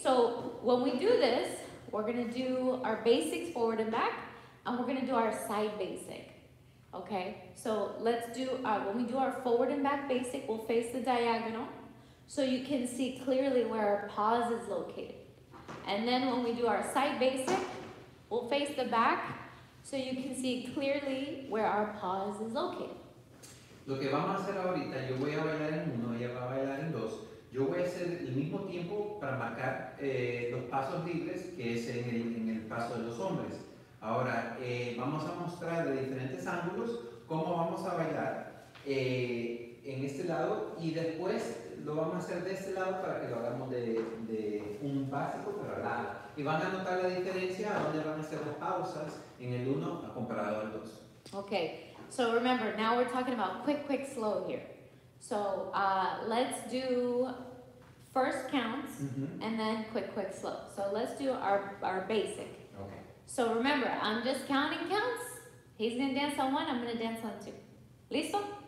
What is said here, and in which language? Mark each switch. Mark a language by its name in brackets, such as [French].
[English] So when we do this, we're gonna do our basics forward and back, and we're gonna do our side basic. Okay. So let's do. When we do our forward and back basic, we'll face the diagonal, so you can see clearly where our pause is located. And then when we do our side basic, we'll face the back, so you can see clearly where our pause is located. [Spanish] Lo que vamos a hacer ahorita, yo voy a bailar en uno, ella va a bailar en dos. Yo voy a hacer el mismo tiempo para marcar los pasos libres que es en el paso de los hombres. Ahora, vamos a mostrar de diferentes ángulos cómo vamos a bailar en este lado y después lo vamos a hacer de este lado para que lo hagamos de un básico pero largo. Y van a notar la diferencia a dónde van a ser las pausas en el uno comparado al dos. [English] Okay. So remember, now we're talking about quick, quick, slow here. So let's do first counts, mm-hmm. And then quick, quick, slow. So let's do our basic. Okay. So remember, I'm just counting counts. He's going to dance on one, I'm going to dance on two. [Spanish] ¿Listo?